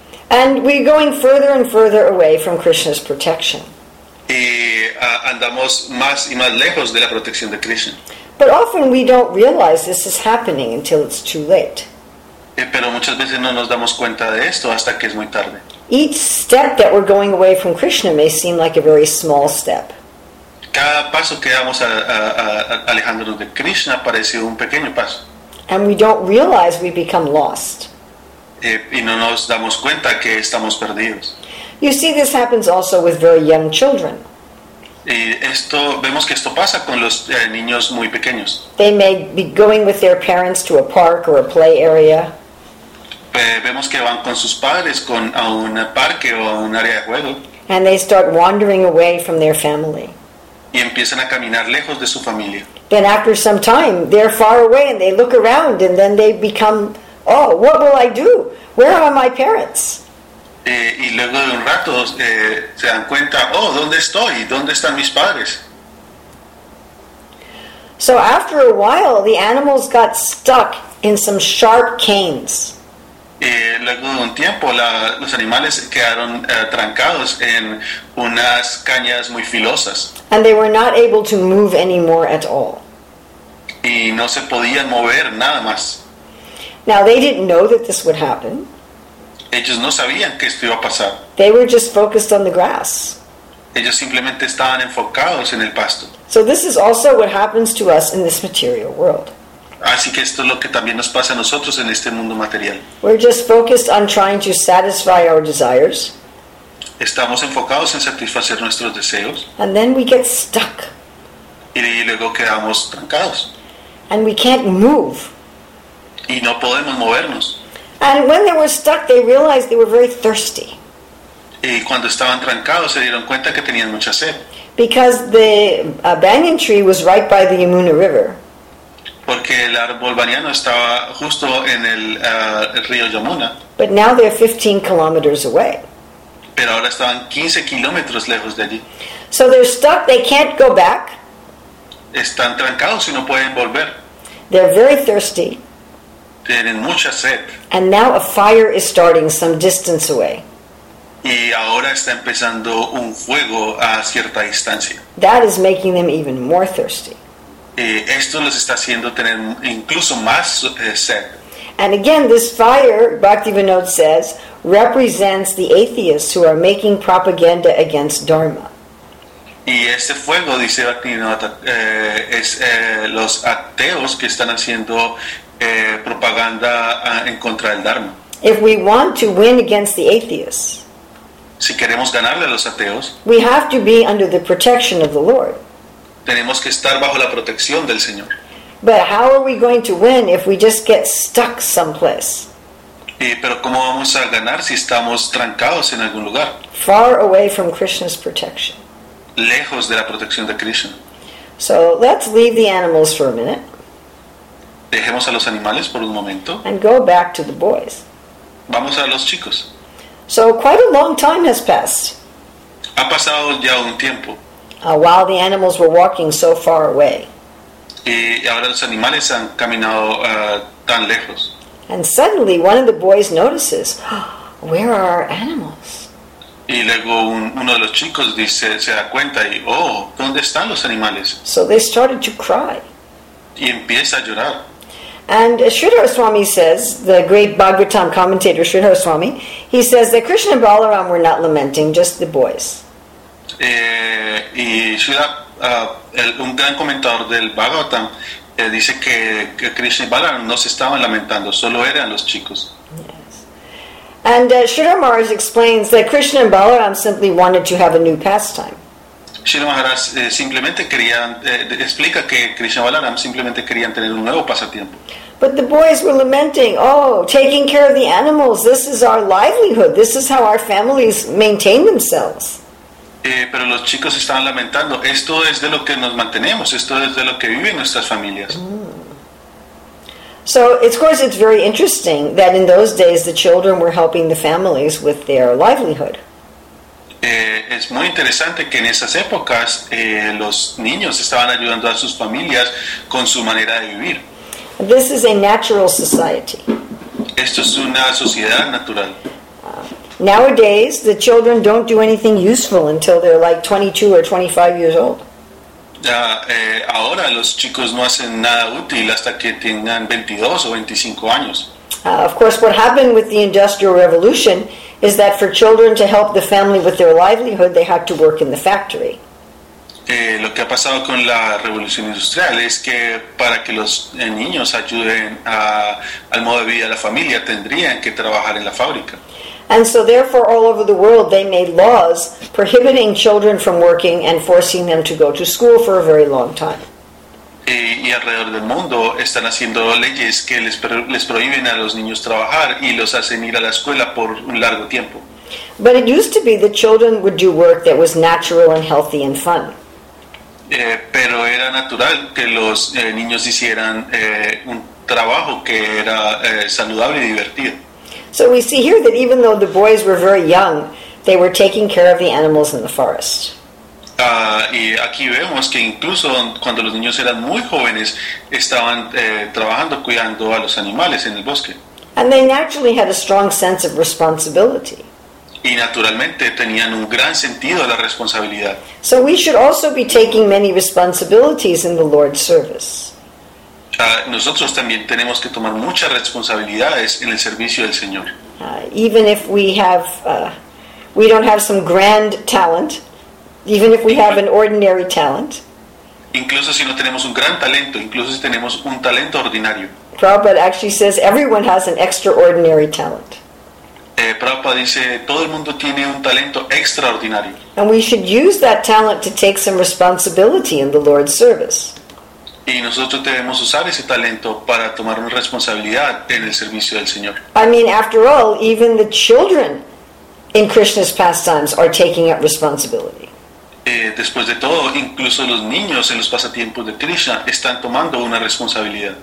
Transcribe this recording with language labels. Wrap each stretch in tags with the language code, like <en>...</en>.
<en>And we're going further and further away from Krishna's protection.</en> <es>Y andamos más y más lejos de la protección de Krishna.</es> <en>But often we don't realize this is happening until it's too late.</en> <es>Pero muchas veces no nos damos cuenta de esto hasta que es muy tarde.</es> <en>Each step that we're going away from Krishna may seem like a very small step.</en> <es>Cada paso que damos alejándonos de Krishna parece un pequeño paso.</es> <en>And we don't realize we become lost.</en> <es>Y no nos damos cuenta que estamos perdidos.</es> <en>You see, this happens also with very young children.</en> <es>Y esto, vemos que esto pasa con los niños muy pequeños.</es> <en>They may be going with their parents to a park or a play area.</en> <es>Vemos que van con sus padres a un parque o a un área de juego.</es> <en>And they start wandering away from their family.</en> <es>Y empiezan a caminar lejos de su familia.</es> <en>Then after some time, they're far away and they look around and then they become, oh, what will I do? Where are my parents?</en> <es>Y luego de un rato se dan cuenta, oh, ¿dónde estoy? ¿Dónde están mis padres?</es> <en>So after a while, the animals got stuck in some sharp canes.</en> <es>Luego de un tiempo, los animales quedaron trancados en unas cañas muy filosas.</es> <en>And they were not able to move anymore at all.</en> <es>Y no se podían mover nada más.</es> <en>Now, they didn't know that this would happen.</en> <es>Ellos no sabían que esto iba a pasar.</es> <en>They were just focused on the grass.</en> <es>Ellos simplemente estaban enfocados en el pasto.</es> <en>So this is also what happens to us in this material world.</en> <es>Así que esto es lo que también nos pasa a nosotros en este mundo material.</es> <en>We're just focused on trying to satisfy our desires.</en> <es>Estamos enfocados en satisfacer nuestros deseos.</es> <en>And then we get stuck.</en> <es>Y luego quedamos trancados.</es> <en>And we can't move.</en> <es>Y no podemos movernos.</es> <en>And when they were stuck, they realized they were very thirsty.</en> <es>Y cuando estaban trancados, se dieron cuenta que tenían mucha sed.</es> <en>Because the banyan tree was right by the Yamuna River.</en> <es>Porque el árbol baniano estaba justo en el río Yamuna.</es> <en>But now they're 15 kilometers away.</en> <es>Pero ahora estaban 15 kilómetros lejos de allí.</es> <en>So they're stuck, they can't go back.</en> <es>Están trancados y no pueden volver.</es> <en>They're very thirsty.</en> <es>Tienen mucha sed.</es> <en>And now a fire is starting some distance away.</en> <es>Y ahora está empezando un fuego a cierta distancia.</es> <en>That is making them even more thirsty.</en> <es>Esto los está haciendo tener incluso más sed.</es> <en>And again, this fire, Bhaktivinoda says, represents the atheists who are making propaganda against Dharma.</en> <es>Y este fuego, dice Bhaktivinoda, es los ateos que están haciendo propaganda en contra del Dharma.</es> <en>If we want to win against the atheists,</en> <es>si queremos ganarle a los ateos,</es> <en>we have to be under the protection of the Lord.</en> <es>Tenemos que estar bajo la protección del Señor.</es> <en>But how are we going to win if we just get stuck someplace?</en> <es>Pero ¿cómo vamos a ganar si estamos trancados en algún lugar?</es> <en>Far away from Krishna's protection.</en> <es>Lejos de la protección de Krishna.</es> <en>So let's leave the animals for a minute.</en> <es>Dejemos a los animales por un momento.</es> <en>And go back to the boys.</en> <es>Vamos a los chicos.</es> <en>So quite a long time has passed.</en> <es>Ha pasado ya un tiempo.</es> <en>While the animals were walking so far away.</en> <es>Y ahora los animales han caminado tan lejos.</es> <en>And suddenly one of the boys notices, where are our animals?</en> <es>Y luego uno de los chicos dice, se da cuenta y, oh, ¿dónde están los animales?</es> <en>So they started to cry.</en> <es>Y empieza a llorar.</es> <en>And Sridhar Swami says, the great Bhagavatam commentator Sridhar Swami, he says that Krishna and Balaram were not lamenting, just the boys.</en> <es>Y Sridhar, un gran comentador del Bhagavatam, dice que Krishna y Balaram no se estaban lamentando, solo eran los chicos.</es> <en>Yes. And Sridhar Maharaj explains that Krishna and Balaram simply wanted to have a new pastime.</en> <es>Srila Maharaj simplemente querían explica que Krishna Balaram simplemente querían tener un nuevo pasatiempo.</es> <en>But the boys were lamenting, oh, taking care of the animals, this is our livelihood, this is how our families maintain themselves.</en> <es>Pero los chicos estaban lamentando, esto es de lo que nos mantenemos, esto es de lo que viven nuestras familias.</es> <en>So, of course, it's very interesting that in those days the children were helping the families with their livelihood.</en> <es>Es muy interesante que en esas épocas los niños estaban ayudando a sus familias con su manera de vivir.</es> <en>This is a natural society.</en> <es>Esto es una sociedad natural.</es> <en>Nowadays, the children don't do anything useful until they're like 22 or 25 years old.</en> <es>Ahora los chicos no hacen nada útil hasta que tengan 22 o 25 años.</es> <en>Of course, what happened with the Industrial Revolution is that for children to help the family with their livelihood, they had to work in the factory.</en> <es>Lo que ha pasado con la revolución industrial es que para que los niños ayuden al modo de vida de la familia, tendrían que trabajar en la fábrica.</es> <en>And so therefore all over the world they made laws prohibiting children from working and forcing them to go to school for a very long time.</en> <es>Y alrededor del mundo están haciendo leyes que les prohíben a los niños trabajar y los hacen ir a la escuela por un largo tiempo.</es> <en>But it used to be that children would do work that was natural and healthy and fun.</en> <es>Pero era natural que los niños hicieran un trabajo que era saludable y divertido.</es> <en>So we see here that even though the boys were very young, they were taking care of the animals in the forest.</en> <es>Y aquí vemos que incluso cuando los niños eran muy jóvenes, estaban trabajando, cuidando a los animales en el bosque.</es> <en>And they naturally had a strong sense of responsibility.</en> <es>Y naturalmente tenían un gran sentido de la responsabilidad.</es> <en>So we should also be taking many responsibilities in the Lord's service.</en> <es>Nosotros también tenemos que tomar muchas responsabilidades en el servicio del Señor.</es> <en>Even if we have, we don't have some grand talent, even if we have an ordinary talent.</en> <es>Incluso si no tenemos un gran talento, incluso si tenemos un talento ordinario.</es> <en>Prabhupada actually says everyone has an extraordinary talent.</en> <es>Prabhupada dice todo el mundo tiene un talento extraordinario.</es> <en>And we should use that talent to take some responsibility in the Lord's service.</en> <es>Y nosotros debemos usar ese talento para tomar una responsabilidad en el servicio del Señor.</es> <en>I mean, after all, even the children in Krishna's pastimes are taking up responsibility.</en> <es>Después de todo, incluso los niños en los pasatiempos de Krishna están tomando una responsabilidad.</es>